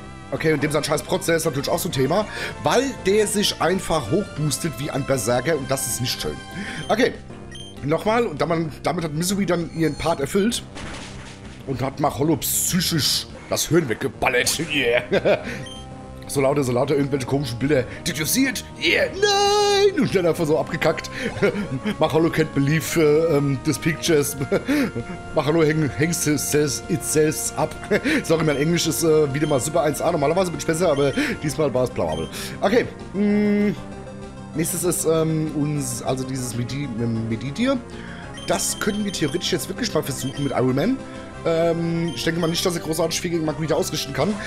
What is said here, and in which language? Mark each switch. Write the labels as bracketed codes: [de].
[de] Okay, und dem sein scheiß Prozess ist natürlich auch so ein Thema, weil der sich einfach hochboostet wie ein Berserker und das ist nicht schön. Okay, nochmal. Und damit hat Mizumi dann ihren Part erfüllt. Und hat Macholo psychisch das Hirn weggeballert. Yeah. So lauter irgendwelche komischen Bilder. [en] Did you see it? Yeah. [de] Nein. Und dann einfach so abgekackt. [en] Macholo can't believe this pictures. Macholo hangs itself up. [de] Sorry, mein Englisch ist wieder mal super 1A. Normalerweise bin ich besser, aber diesmal war es blamabel. Okay. Nächstes ist uns, also dieses Meditier. Das können wir theoretisch jetzt wirklich mal versuchen mit Iron Man. Ich denke mal nicht, dass er großartig viel gegen Magneta ausrichten kann.